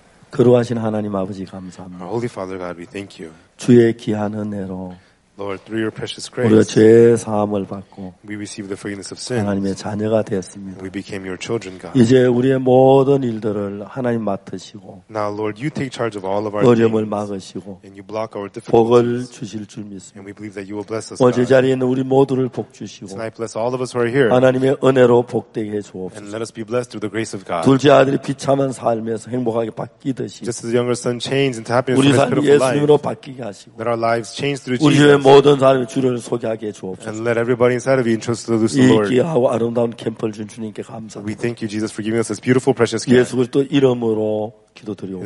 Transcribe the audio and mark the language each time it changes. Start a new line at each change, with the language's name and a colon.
Korean: 그루하신 하나님 아버지 감사합니다.
English: Our Holy Father God, we thank you.
Korean: 주의 귀한 은혜로
English: Lord, through your precious grace,
Korean: 우리가 죄의 사함을 받고
English: we receive the forgiveness of sins.
Korean: 하나님의 자녀가 되었습니다.
English: We became your children, God.
Korean: 이제 우리의 모든 일들을 하나님 맡으시고
English: Now, Lord, you take charge of all of our
Korean: 어려움을 막으시고
English: and you block our difficulties.
Korean: 복을 주실 줄 믿습니다.
English: And we believe that you will bless us,
Korean: 오늘 이 자리에 있는 우리 모두를 복주시고
English: Tonight, bless all of us who are here.
Korean: 하나님의 은혜로 복되게 해주옵소서.
English: And let us be blessed through the grace of God.
Korean: 둘째 아들이 비참한 삶에서 행복하게 바뀌듯이
English: Just as the younger son changed into happiness
Korean: 우리 삶 예수님으로 바뀌게 하시고
English: that our lives changed through Jesus.
Korean: 모든 사람이 주를 소개하게 주옵소서.
English: And let everybody inside of you introduce to the Lord.
Korean: 이 귀하고 아름다운 캠프를 준 주님께 감사합니다.
English: We thank you, Jesus, for giving us this beautiful, precious camp.
Korean: 예수 그리스도 이름으로 기도드리옵니다.